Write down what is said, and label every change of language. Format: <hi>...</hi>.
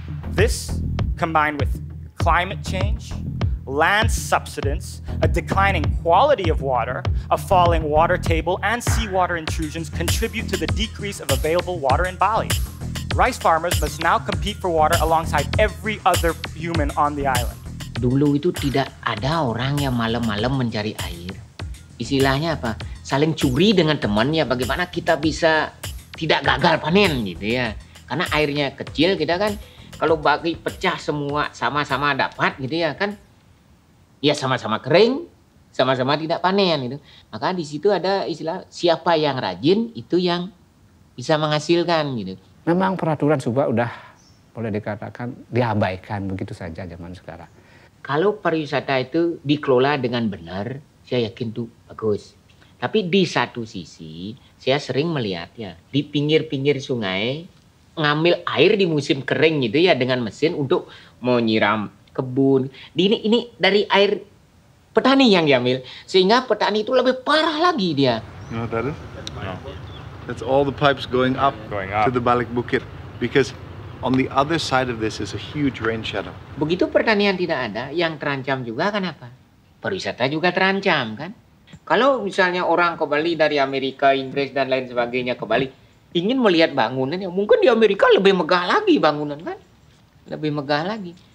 <en>This, combined with climate change, land subsidence, a declining quality of water, a falling water table, and seawater intrusions contribute to the decrease of available water in Bali. Rice farmers must now compete for water alongside every other human on the island.</en> <id>Dulu itu tidak ada orang yang malam-malam mencari air. Istilahnya apa? Saling curi dengan temannya, bagaimana kita bisa tidak gagal panen gitu ya. Karena airnya kecil kita kan, kalau bagi pecah semua sama-sama dapat gitu ya kan, ya sama-sama kering, sama-sama tidak panen gitu. Maka di situ ada istilah siapa yang rajin itu yang bisa menghasilkan gitu. Memang peraturan Subak udah boleh dikatakan diabaikan begitu saja zaman sekarang. kalau pariwisata itu dikelola dengan benar, saya yakin itu bagus. Tapi di satu sisi, saya sering melihat ya, di pinggir-pinggir sungai, ngambil air di musim kering gitu ya, dengan mesin untuk menyiram kebun. Ini dari air petani yang diambil, sehingga petani itu lebih parah lagi dia.</id> <en>You know what that is? No. That's all the pipes going up. To the Balik Bukit, because on the other side of this is a huge rain shadow.</en> <id>Begitu pertanian tidak ada, yang terancam juga kan apa? Pariwisata juga terancam kan? Kalau misalnya orang ke Bali dari Amerika, Inggris dan lain sebagainya ke Bali ingin melihat bangunan, ya mungkin di Amerika lebih megah lagi bangunan kan? Lebih megah lagi.</id>